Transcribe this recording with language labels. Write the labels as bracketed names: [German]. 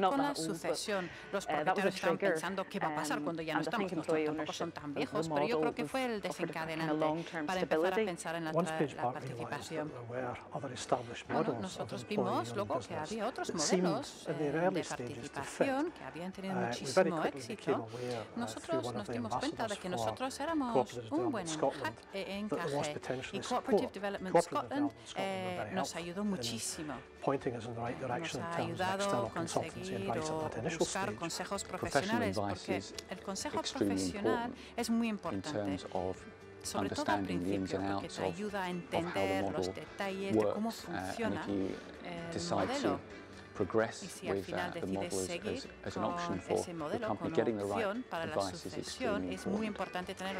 [English] They're not that old, but that was a trigger. And I think employee ownership is the model was offered a kind of long-term stability. Once Page Park realised that there were other established models of employee ownership, it seemed in the early stages to fit. We very quickly became aware through one of [Spanish] nos dimos cuenta de que nosotros éramos un buen encaje y Cooperative Development Scotland nos ayudó muchísimo. [English] Pointing us in the right direction in terms of external consultancy advice at that initial stage. Professional advice is extremely important in terms of understanding the ins and outs of how the model works. And if you decide to progress with the model as an option for the company, getting the right advice is extremely important.